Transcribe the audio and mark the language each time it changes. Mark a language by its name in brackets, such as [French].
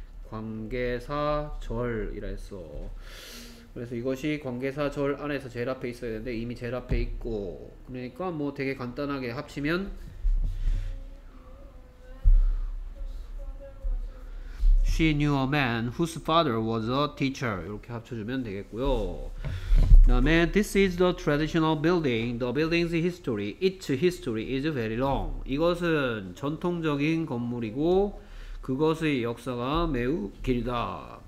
[Korean] 관계사절이라 했어. 그래서 이것이 관계사절 안에서 제일 앞에 있어야 되는데 이미 제일 앞에 있고, 그러니까 뭐 되게 간단하게 합치면 [English] She knew a man whose father was a teacher. [Korean] 이렇게 합쳐주면 되겠고요. 그다음에 [English] This is the traditional building. The building's history, its history is very long. [Korean] 이것은 전통적인 건물이고 그것의 역사가 매우 길다.